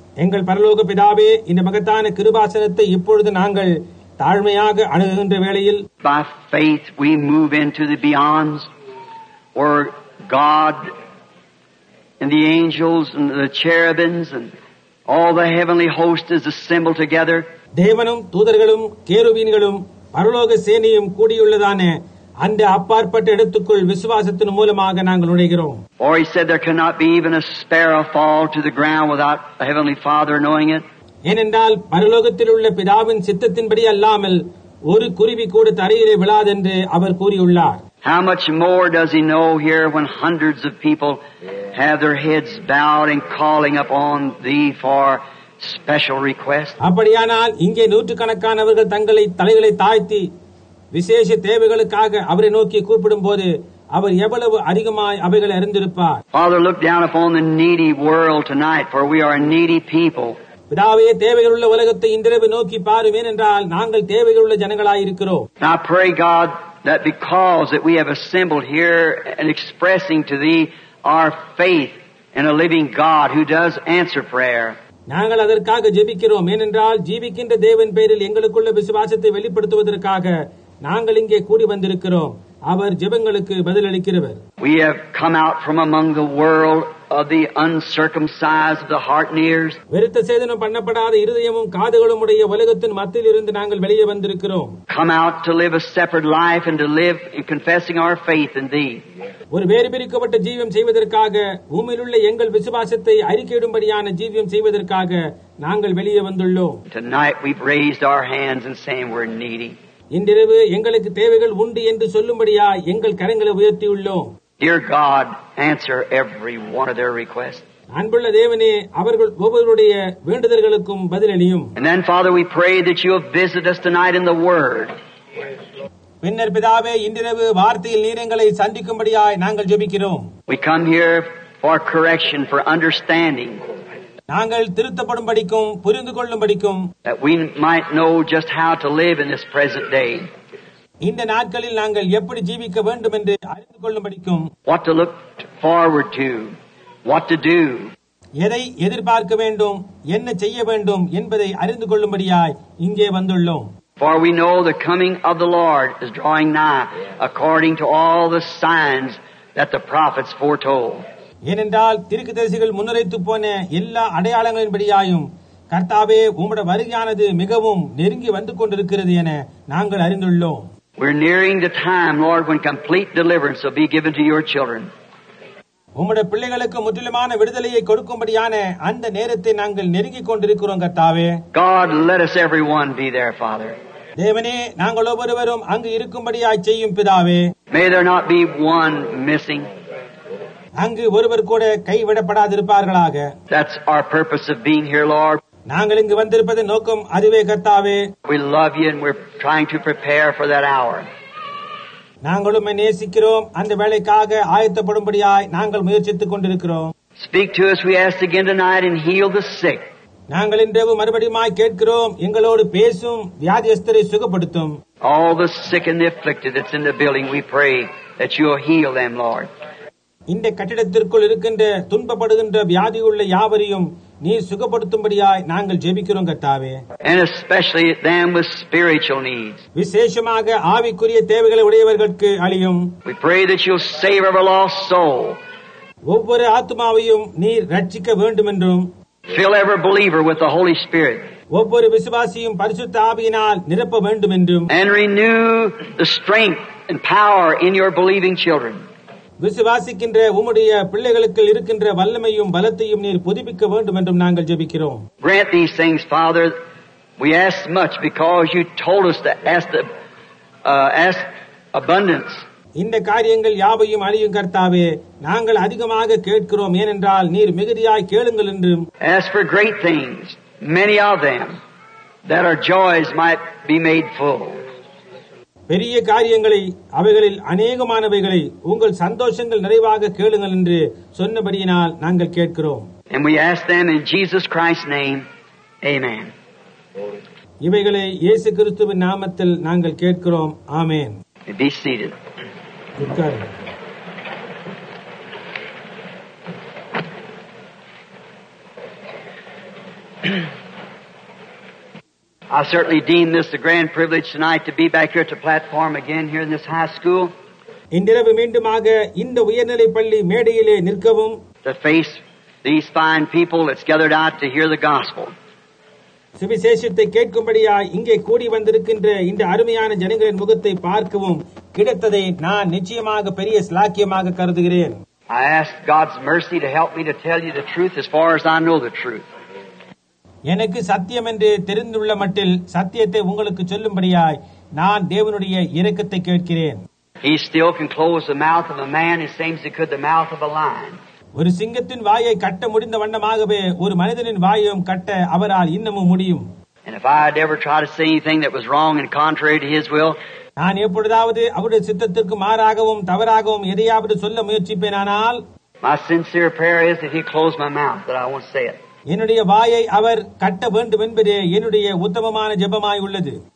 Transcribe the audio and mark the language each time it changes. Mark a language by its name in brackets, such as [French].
[Tamil] எங்கள் பரலோக பிதாவே, இந்த மகத்தான கிருபாசனத்தை இப்பொழுது நாங்கள் தாழ்மையாக அணுகுகின்ற வேளையில், [English] by faith we move into the beyonds or God and the angels and the cherubims and all the heavenly host is assembled together. [Tamil] தேவனும் தூதர்களும் கேருபீன்களும் பரலோக சேனையும் கூடியுள்ளதான அந்த அப்பாற்பட்ட இடத்துக்குள் விசுவாசத்தின் மூலமாக நாங்கள் நுழைகிறோம். [English] Or he said there cannot be even a sparrow fall to the ground without the heavenly father knowing it. [Tamil] ஏனென்றால் பரலோகத்தில் உள்ள பிதாவின் சித்தத்தின்படி அல்லாமல் ஒரு குருவி கூட தரையிலே விழாது என்று அவர் கூறியுள்ளார். [English] How much more does he know here when hundreds of people have their heads bowed and calling upon thee for special request? [Tamil] அப்படியானால் இங்கே நூற்றுக்கணக்கானவர்கள் தங்களை தலைகளை தாழ்த்தி விசேஷ தேவைகளுக்காக அவரை நோக்கி கூப்பிடும் போது அவர் எவ்வளவு அதிகமாய் அவைகளை அறிந்திருப்பார்? [English] Father, look down upon the needy world tonight, for we are a needy people. [Tamil] பிதாவே, தேவைகள் உள்ள உலகத்தை இன்றிரவு நோக்கி பாருவேன் என்றால் நாங்கள் தேவைகள் உள்ள ஜனங்களாய் இருக்கிறோம். [English] I pray God that because that we have assembled here and expressing to thee our faith in a living God who does answer prayer. [Tamil] நாங்கள் அதற்காக ஜெபிக்கிறோம், ஏனென்றால் ஜீவிக்கின்ற தேவன் பேரில் எங்களுக்குள்ள விசுவாசத்தை வெளிப்படுத்துவதற்காக நாங்கள் இங்கே கூடி வந்திருக்கிறோம். அவர் ஜெபங்களுக்கு பதிலளிக்கிறவர். [English] We have come out from among the world of the uncircumcised of the heart and ears. [Tamil] விருத்த சேதனம் பண்ணப்படாத இருதயமும் காதுகளும் உடைய உலகத்தின் மத்தியில் இருந்து நாங்கள் வெளியே வந்திருக்கிறோம். [English] Come out to live a separate life and to live in confessing our faith in thee. [Tamil] ஒரு வேறுபிரிக்கப்பட்ட ஜீவியம் செய்வதற்காக, பூமியில் உள்ள எங்கள் விசுவாசத்தை அறிக்கையிடும்படியான ஜீவியம் செய்வதற்காக நாங்கள் வெளியே வந்துள்ளோம். [English] Tonight we've raised our hands and saying we're needy. [Tamil] இன்றிரவு எங்களுக்கு தேவைகள் உண்டு என்று சொல்லும்படியா எங்கள் கரங்களை உயர்த்தியுள்ளோம். [English] Dear God, answer every one of their requests. [Tamil] அன்புள்ள தேவனே, அவர்கள் ஒவ்வொருவருடைய வேண்டுதல்களுக்கும் பதிலளியும். [English] And then, Father, we pray that you have visited us tonight in the Word. [Tamil] பின்னர் பிதாவே, இன்றிரவு வார்த்தையில் நீரங்களை சந்திக்கும்படியாய் நாங்கள் ஜெபிக்கிறோம். [English] We come here for correction, for understanding. [Tamil] நாங்கள் திருத்தப்படும்படிக்கும் புரிந்து கொள்ளும்படிக்கும். [English] That we might know just how to live in this present day. [Tamil] இந்த நாட்களில் நாங்கள் எப்படி ஜீவிக்க வேண்டும் என்று அறிந்து கொள்ளும்படிக்கும். [English] What to look forward to, what to do. [Tamil] எதை எதிர்பார்க்க வேண்டும், என்ன செய்ய வேண்டும் என்பதை அறிந்து கொள்ளும்படியாய் இங்கே வந்துள்ளோம். [English] For we know the coming of the Lord is drawing nigh according to all the signs that the prophets foretold. [Tamil] ஏனென்றால் தீர்க்கதரிசிகள் முன்னறித்து போன எல்லா அடையாளங்களின்படியாயும் கர்த்தாவே, உம்முடைய வருகையானது மிகவும் நெருங்கி வந்து கொண்டிருக்கிறது என நாங்கள் அறிந்துள்ளோம். [English] We're nearing the time, Lord, when complete deliverance will be given to your children. [Tamil] உம்முடைய பிள்ளைகளுக்கு முற்றிலுமான விடுதலையை கொடுக்கும்படியான அந்த நேரத்தை நாங்கள் நெருங்கிக் கொண்டிருக்கிறோம் கர்த்தாவே. [English] God, let us everyone be there, Father. [Tamil] தேவனே, நாங்கள் ஒவ்வொருவரும் அங்கு இருக்கும்படியாய் செய்யும் பிதாவே. [English] May there not be one missing. [Tamil] அங்கு ஒருவர் கூட கைவிடப்படாதிருப்பார்களாக. [English] That's our purpose of being here, Lord. [Tamil] நாங்கள் இங்கு வந்திருப்பதன் நோக்கம் அதுவே கர்த்தாவே. [English] We love you and we're trying to prepare for that hour. [Tamil] நாங்களும் நேசிக்கிறோம், அந்த வேலைக்காக ஆயத்தப்படும்படியாய் நாங்கள் முயற்சித்துக் கொண்டிருக்கிறோம். [English] Speak to us, we ask again tonight, and heal the sick. [Tamil] நாங்கள் இன்றைவு மறுபடியுமாய் கேட்கிறோம், எங்களோடு பேசும், வியாதியஸ்தரை சுகப்படுத்தும். [English] All the sick and the afflicted that's in the building, we pray that you'll heal them, Lord. [Tamil] இந்த கட்டிடத்திற்குள் இருக்கின்ற துன்பப்படுகின்ற வியாதி உள்ள யாவரையும் நீ சுகப்படுத்தும்படியாய் நாங்கள் ஜெபிக்கிறோம் கர்த்தாவே. [English] And especially them with spiritual needs. [Tamil] விசேஷமாக ஆவிக்குரிய தேவைகளை உடையவர்களுக்கு அழியும். [English] We pray that you'll save every lost soul. [Tamil] ஒவ்வொரு ஆத்மாவையும் நீ ரட்சிக்க வேண்டும் என்றும். [English] Fill every believer with the Holy Spirit. [Tamil] ஒவ்வொரு விசுவாசியும் பரிசுத்த ஆவியினால் நிரப்ப வேண்டும் என்றும். [English] And renew the strength and power in your believing children. [Tamil] விசுவாசிக்கின்ற உம்முடைய பிள்ளைகளுக்கு இருக்கின்ற வல்லமையும் பலத்தையும் நீர் புதுப்பிக்க வேண்டும் என்றும் நாங்கள் ஜெபிக்கிறோம். [English] Grant these things, Father. We ask much because you told us to ask the ask abundance. [Tamil] இந்த காரியங்கள் யாவையும் அறியும் கர்த்தாவே, நாங்கள் அதிகமாக கேட்கிறோம், ஏனென்றால் நீர் மிகுதியாய் கேளுங்கள் என்றும். [English] Ask for great things, many of them, that our joys might be made full. [Tamil] பெரிய காரியங்களை அவைகளில் அநேகமானவைகளை உங்கள் சந்தோஷங்கள் நிறைவாக கேளுங்கள் என்று சொன்னபடியினால் நாங்கள் கேட்கிறோம். [English] And we ask them in Jesus Christ's name. Amen. [Tamil] இவைகளை இயேசு கிறிஸ்துவின் நாமத்தில் நாங்கள் கேட்கிறோம். ஆமேன். [English] Be seated. I certainly deem this a grand privilege tonight to be back here to platform again here in this high school. [Tamil] இன்றிரவு மீண்டும்மாக இந்த உயர்நிலைப் பள்ளி மேடையிலே நிற்கவும். [English] To face these fine people that's gathered out to hear the gospel. [Tamil] சுவிசேஷத்தை கேட்கும்படியாய் இங்கே கூடி வந்திருக்கின்ற இந்த அருமையான ஜனங்களின் முகத்தை பார்க்கவும் கிடைத்ததை நான் நிச்சயமாக பெரிய சிலாக்கியமாக கருதுகிறேன். [English] I ask God's mercy to help me to tell you the truth as far as I know the truth. [Tamil] எனக்கு சத்தியம் என்று தெரிந்துள்ள மட்டில் சத்தியத்தை உங்களுக்கு சொல்லும்படியாய் நான் தேவனுடைய இரக்கத்தை கேட்கிறேன். [English] He still can close the mouth of a man as same as he could the mouth of a lion. [Tamil] ஒரு சிங்கத்தின் வாயை கட்ட முடிந்த வண்ணமாகவே ஒரு மனிதனின் வாயையும் கட்ட அவரால் இன்னமும் முடியும். [English] And if I had ever tried to say anything that was wrong and contrary to his will, [Tamil] நான் எப்பொழுதாவது அவருடைய சித்தத்திற்கு மாறாகவும் தவறாகவும் எதையாவது சொல்ல முயற்சிப்பேனானால், [English] My sincere prayer is that he close my mouth that I won't say it. [Tamil] என்னுடைய வாயை அவர் கட்ட வேண்டும் என்பதே என்னுடைய உத்தமமான ஜெபமாய் உள்ளது.